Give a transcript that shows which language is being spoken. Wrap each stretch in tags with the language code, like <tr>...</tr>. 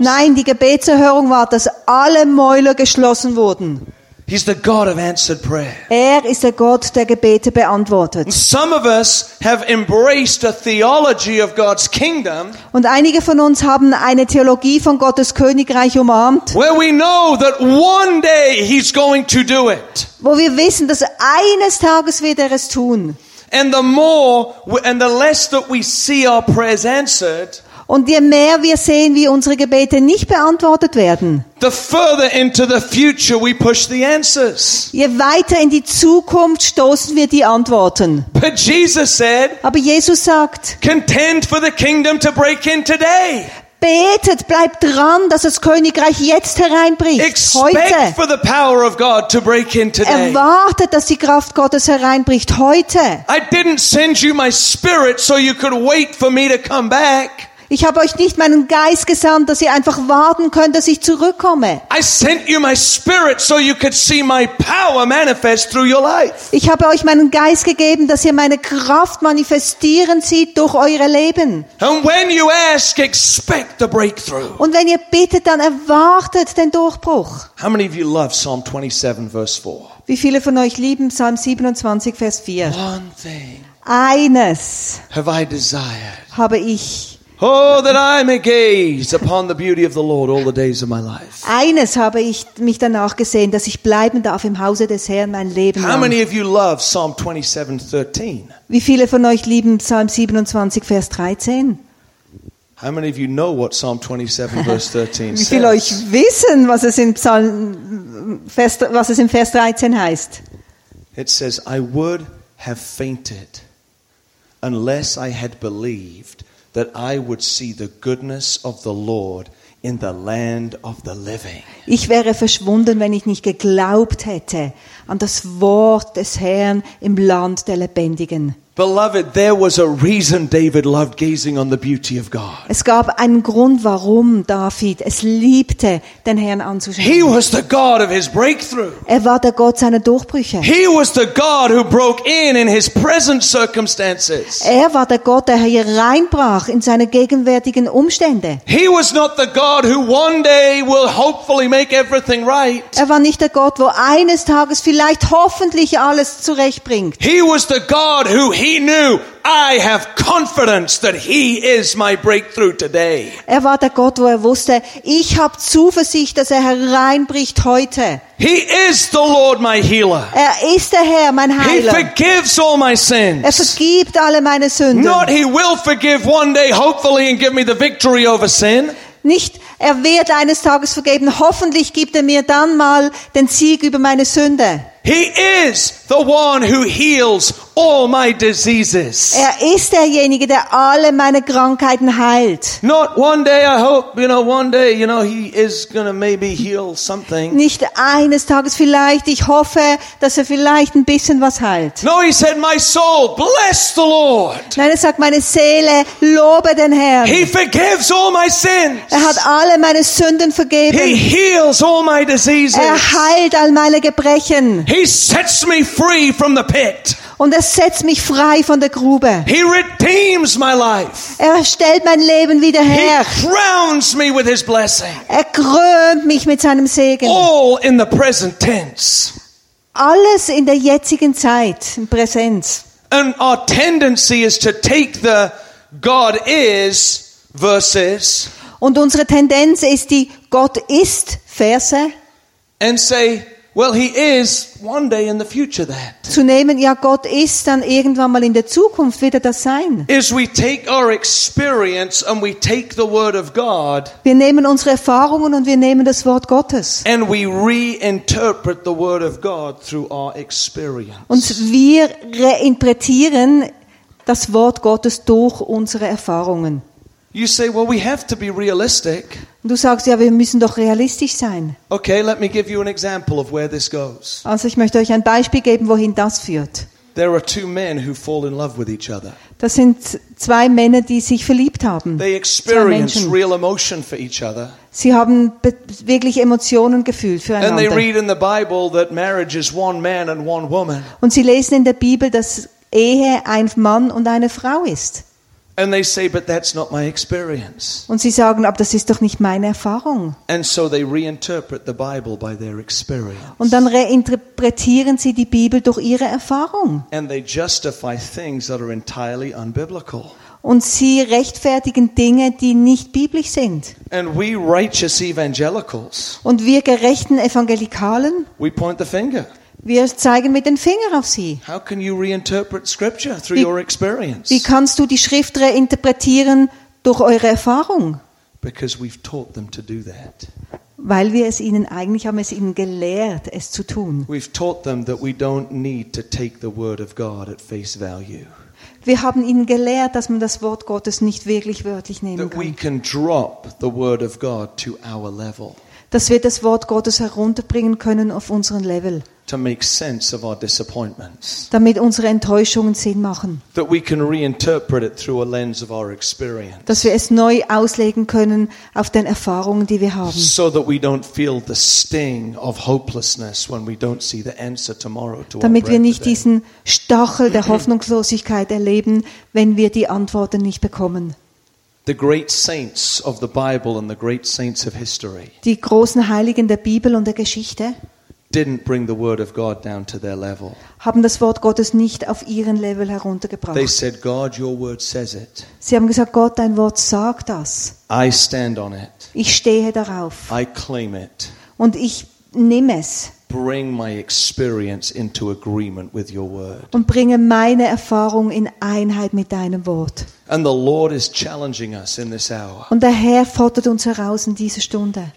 <de>Nein, die Gebetserhörung war, dass alle Mäuler geschlossen wurden.</de> <en>He's the God of answered prayer.</en> <de>Er ist der Gott, der Gebete beantwortet.</de> <en>And some of us have embraced a theology of God's kingdom.</en> <de>Und einige von uns haben eine Theologie von Gottes Königreich umarmt.</de> <en>Where we know that one day he's going to do it.</en> <de>Wo wir wissen, dass eines Tages wird er es tun.</de> <en>And the more and the less that we see our prayers answered,</en> <de>und je mehr wir sehen, wie unsere Gebete nicht beantwortet werden,</de> <en>the further into the future we push the answers.</en> <de>Je weiter in die Zukunft stoßen wir die Antworten.</de> <en>But Jesus said,</en> <de>aber Jesus sagt,</de> <en>contend for the kingdom to break in today.</en> <de>Betet, bleibt dran, dass das Königreich jetzt hereinbricht, heute.</de> <en>For the power of God to break in today.</en> <de>Erwartet, dass die Kraft Gottes hereinbricht, heute.</de> <en>I didn't send you my spirit so you could wait for me to come back.</en> <de>Ich habe euch nicht meinen Geist gesandt, dass ihr einfach warten könnt, dass ich zurückkomme.</de> <en>I sent you my spirit so you could see my power manifest through your life.</en> <de>Ich habe euch meinen Geist gegeben, dass ihr meine Kraft manifestieren seht durch eure Leben.</de> <en>And when you ask, expect the breakthrough.</en> <de>Und wenn ihr bittet, dann erwartet den Durchbruch.</de> <en>How many of you love Psalm 27 verse 4?</en> <de>Wie viele von euch lieben Psalm 27 Vers 4?</de> <en>One thing.</en> <de>Eines.</de> <en>Have I desired.</en> <de>Habe ich.</de> <en>Oh, that I may gaze upon the beauty of the Lord all the days of my life.</en> <de>Eines habe ich mich danach gesehen, dass ich bleiben darf im Hause des Herrn mein Leben lang.</de> <en>How many of you love Psalm 27:13?</en> <de>Wie viele von euch lieben Psalm 27 Vers 13?</de> <en>How many of you know what Psalm 27 verse 13 says?</en> <de>Wie viele euch wissen, was es im Vers 13 heißt?</de> <en>It says, I would have fainted unless I had believed that I would see the goodness of the Lord in the land of the living.</en> <de>Ich wäre verschwunden, wenn ich nicht geglaubt hätte an das Wort des Herrn im Land der Lebendigen.</de> <en>Beloved, there was a reason David loved gazing on the beauty of God.</en> <de>Es gab einen Grund, warum David es liebte, den Herrn anzuschauen.</de> <en>He was the God of his breakthrough.</en> <de>Er war der Gott seiner Durchbrüche.</de> <en>He was the God who broke in his present circumstances.</en> <de>Er war der Gott, der hereinbrach in seine gegenwärtigen Umstände.</de> <en>He was not the God who one day will hopefully make everything right.</en> <de>Er war nicht der Gott, wo eines Tages vielleicht hoffentlich alles zurechtbringt.</de> <en>He was the God who he knew, I have confidence that he is my breakthrough today.</en> <de>Er war der Gott, wo er wusste, ich habe Zuversicht, dass er hereinbricht heute.</de> <en>He is the Lord my healer.</en> <de>Er ist der Herr, mein Heiler.</de> <en>He forgives all my sins.</en> <de>Er vergibt alle meine Sünden.</de> <en>Not he will forgive one day, hopefully, and give me the victory over sin.</en> <de>Nicht er wird eines Tages vergeben, hoffentlich gibt er mir dann mal den Sieg über meine Sünde.</de> <en>He is the one who heals all my diseases.</en> <de>Er ist derjenige, der alle meine Krankheiten heilt.</de> <en>Not one day, I hope, you know, one day, you know, he is gonna maybe heal something.</en> <de>Nicht eines Tages vielleicht, ich hoffe, dass er vielleicht ein bisschen was heilt.</de> <en>No, he said, my soul, bless the Lord.</en> <de>Nein, er sagt, meine Seele, lobe den Herrn.</de> <en>He forgives all my sins.</en> <de>Er hat alle meine Sünden vergeben.</de> <en>He heals all my diseases.</en> <de>Er heilt all meine Gebrechen.</de> <en>He sets me free from the pit.</en> <de>Und er setzt mich frei von der Grube.</de> <en>He redeems my life.</en> <de>Er stellt mein Leben wieder her.</de> <en>He crowns me with his blessing.</en> <de>Er krönt mich mit seinem Segen.</de> <en>All in the present tense.</en> <de>Alles in der jetzigen Zeit, im Präsenz.</de> <en>And our tendency is to take the God is verses.</en> <de>Und unsere Tendenz ist die Gott ist Verse.</de> <en>And say, well, he is one day in the future that.</en> <de>Zu nehmen, ja, Gott ist dann irgendwann mal in der Zukunft wird er das sein.</de> <en>As we take our experience and we take the word of God.</en> <de>Wir nehmen unsere Erfahrungen und wir nehmen das Wort Gottes.</de> <en>And we reinterpret the word of God through our experience.</en> <de>Und wir reinterpretieren das Wort Gottes durch unsere Erfahrungen.</de> <en>You say, well, we have to be realistic.</en> <de>Du sagst, ja, wir müssen doch realistisch sein.</de> <en>Okay, let me give you an example of where this goes.</en> <de>Also, ich möchte euch ein Beispiel geben, wohin das führt.</de> <en>There are two men who fall in love with each other.</en> <de>Das sind zwei Männer, die sich verliebt haben.</de> <en>They experience real emotion for each other.</en> <de>Sie haben wirklich Emotionen gefühlt füreinander.</de> <en>And they read in the Bible that marriage is one man and one woman.</en> <de>Und sie lesen in der Bibel, dass Ehe ein Mann und eine Frau ist.</de> <en>And they say, but that's not my experience.</en> <de>Und sie sagen, aber das ist doch nicht meine Erfahrung.</de> <en>And so they reinterpret the Bible by their experience.</en> <de>Und dann reinterpretieren sie die Bibel durch ihre Erfahrung.</de> <en>And they justify things that are entirely unbiblical.</en> <de>Und sie rechtfertigen Dinge, die nicht biblisch sind.</de> <en>And we righteous evangelicals,</en> <de>und wir gerechten Evangelikalen,</de> <en>we point the finger.</en> <de>Wir zeigen mit dem Finger auf sie.</de> <en>How can you reinterpret scripture through your experience?</en> <de>Wie kannst du die Schrift reinterpretieren durch eure Erfahrung?</de> <en>Because we've taught them to do that.</en> <de>Weil wir es ihnen, eigentlich haben wir es ihnen gelehrt, es zu tun.</de> <en>We've taught them that we don't need to take the word of God at face value.</en> <de>Wir haben ihnen gelehrt, dass man das Wort Gottes nicht wirklich wörtlich nehmen kann.</de> <en>That we can drop the word of God to our level.</en> <de>Dass wir das Wort Gottes herunterbringen können auf unseren Level.</de> <en>To make sense of our disappointments.</en> <de>Damit unsere Enttäuschungen Sinn machen.</de> <en>That we can reinterpret it through a lens of our experience.</en> <de>Dass wir es neu auslegen können auf den Erfahrungen, die wir haben.</de> <en>So that we don't feel the sting of hopelessness when we don't see the answer tomorrow to our prayer.</en> <de>Damit wir nicht diesen Stachel der Hoffnungslosigkeit erleben, wenn wir die Antworten nicht bekommen.</de> <en>The great saints of the Bible and the great saints of history.</en> <de>Die großen Heiligen der Bibel und der Geschichte.</de> <en>Didn't bring the word of God down to their level.</en> <de>Haben das Wort Gottes nicht auf ihren Level heruntergebracht.</de> <en>They said, "God, your word says it."</en> <de>Sie haben gesagt, Gott, dein Wort sagt das.</de> <en>I stand on it.</en> <de>Ich stehe darauf.</de> <en>I claim it.</en> <de>Und ich nehme es.</de> <en>Bring my experience into agreement with your word.</en> <de>Und bringe meine Erfahrung in Einheit mit deinem Wort.</de> <en>And the Lord is challenging us in this hour.</en> <de>Und der Herr fordert uns heraus in dieser Stunde.</de>